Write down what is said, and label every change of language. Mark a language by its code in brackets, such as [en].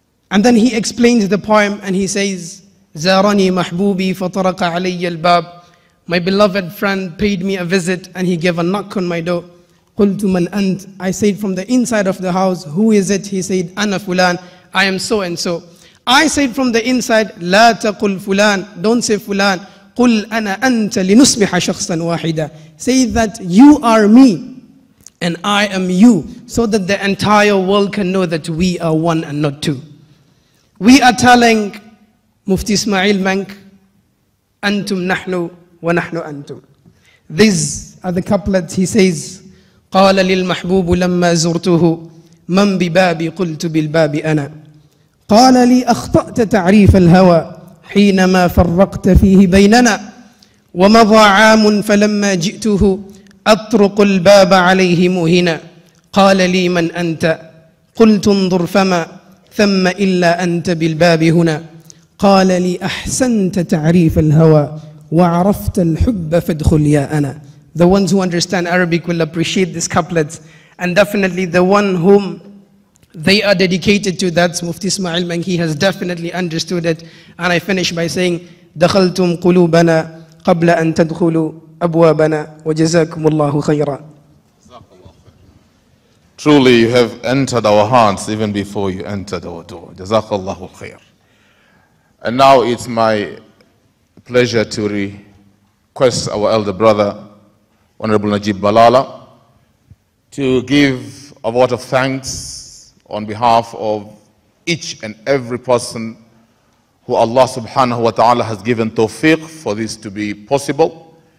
[en] And then he explains the poem and he says, [ar] زارني محبوبي فطرق علي الباب. [en] My beloved friend paid me a visit and he gave a knock on my door. [ar] قلت من أنت. [en] I said from the inside of the house, who is it? He said, [ar] أنا فلان. [en] I am so and so. I said from the inside, [ar] لا تقل فلان. [en] Don't say فلان. [ar] قل أنا أنت لنصبح شخصا واحدا. [en] Say that you are me and I am you, so that the entire world can know that we are one and not two. We are telling Mufti Ismail Menk, [ar] أنتم نحن ونحن أنتم. [en] These are the couplets he says. [ar] قال للمحبوب لما زرته من ببابي قلت بالباب أنا. قال لي أخطأت تعريف الهوى حينما فرقت فيه بيننا. ومضى عام فلما جئته أطرق الباب عليه مهنا. قال لي من أنت؟ قلت انظر فما ثم إلا أنت بالباب هنا. قال لي أحسنت تعريف الهوى وعرفت الحب فادخل يا أنا. [en] The ones who understand Arabic will appreciate these couplets. And definitely the one whom they are dedicated to, that's Mufti Ismail Menk, he has definitely understood it. And I finish by saying, [ar] دخلتم قلوبنا قبل أن تدخلوا أبوابنا وجزاكم الله خيرا. [en] Truly you have entered our hearts even before you entered our door. Jazakallahu khair. And now it's my pleasure to request our elder brother, Honorable Najib Balala, to give a vote of thanks on behalf of each and every person who Allah subhanahu wa ta'ala has given tawfiq for this to be possible.